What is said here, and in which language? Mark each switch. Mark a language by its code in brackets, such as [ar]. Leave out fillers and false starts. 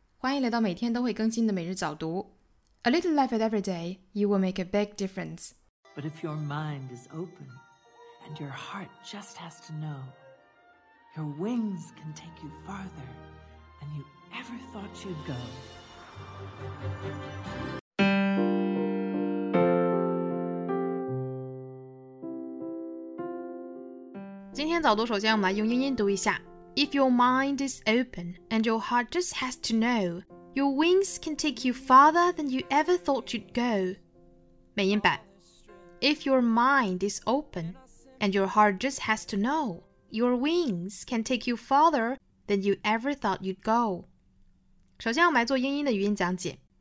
[zh] 欢迎来到每天都会更新的每日早读。 [en] A little life at every day, you will make a big difference. But if your mind is open, and your heart just has to know, your wings can take you farther than you ever thought you'd go. [zh] 今天早读首先我们来用英音读一下。 [en] If your mind is open and your heart just has to know, your wings can take you farther than you ever thought you'd go. [zh] 美音版 [en] If your mind is open and your heart just has to know, your wings can take you farther than you ever thought you'd go. [zh] 首先我们来做英音的语音讲解。